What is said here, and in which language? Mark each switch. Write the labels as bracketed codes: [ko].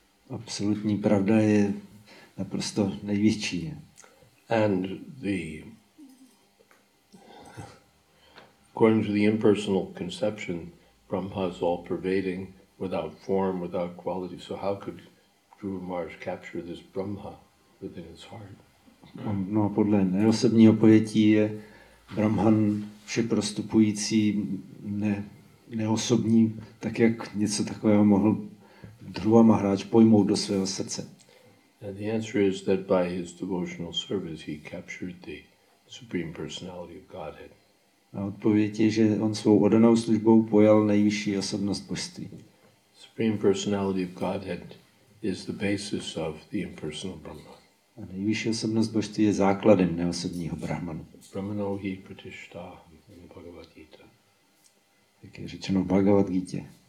[cs] Absolutní pravda je naprosto největší. [en] And the according to the impersonal conception, Brahma is all pervading, without form, without quality. So how could Dhruva Maharaj capture this Brahma within his heart? [cs] No, podle neosobního pojetí je Brahman všeprostupující, neosobní, tak jak něco takového mohl Dhruva Maharaj pojmout do svého srdce. [en] And the answer is that by his devotional service he captured the Supreme Personality of Godhead. [cs] A odpověď je, že on svou oddanou službou pojal nejvyšší osobnost božství. [en] Supreme Personality of Godhead is the basis of the impersonal Brahma. [cs] A nejvyšší osobnost božství je základem neosobního Brahmanu. [sa] Brahmano hi pratishtaham in Bhagavad Gita. [cs] Tak je řečeno v Bhagavad Gita.